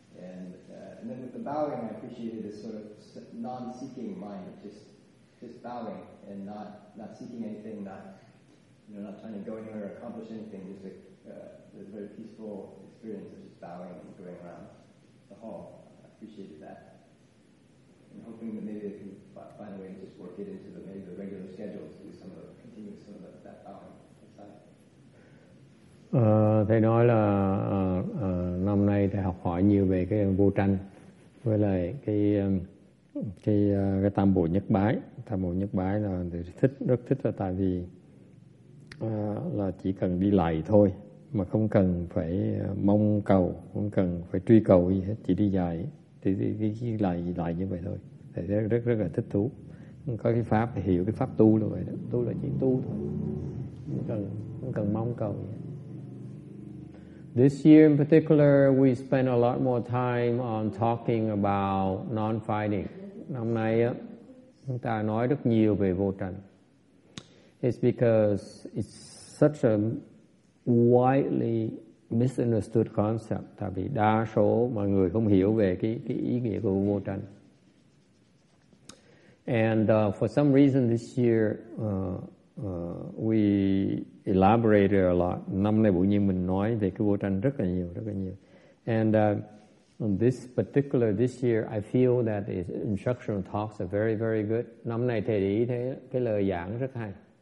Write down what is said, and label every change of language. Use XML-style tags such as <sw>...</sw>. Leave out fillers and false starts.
<en>And then with the bowing, I appreciated this sort of non-seeking mind, just bowing and not seeking anything, not trying to go anywhere or accomplish anything, just a very peaceful experience of just bowing and going around the hall. I appreciated that. And hoping that maybe they can find a way to just work it into the regular schedule to continue some of that bowing.</en> <vi>Thầy nói là năm nay thầy học hỏi nhiều về cái vô tranh với lại cái tam bộ nhất bái. Tam bộ nhất bái là rất thích là tại vì là chỉ cần đi lại thôi mà không cần phải mong cầu, không cần phải truy cầu gì hết, chỉ đi dài thì lại như vậy thôi. Thầy rất là thích thú. Có cái pháp thì hiểu cái pháp tu là vậy đó, tu là chỉ tu thôi, không cần mong cầu gì.</vi> <en>This year in particular, we spent a lot more time on talking about non-fighting.</en> <vi>Năm nay, chúng ta nói rất nhiều về vô tranh.</vi> <en>It's because it's such a widely misunderstood concept.</en> <vi>Tại vì đa số mọi người không hiểu về cái ý nghĩa của vô tranh.</vi> <en>And for some reason this year, we elaborated a lot.</en> <vi>Năm nay bỗng nhiên mình nói về cái vô tranh rất là nhiều.</vi> <en>And this year, I feel that the instructional talks are very, very good.</en> <vi>Năm nay thầy để ý thấy cái lời giảng rất hay.</vi>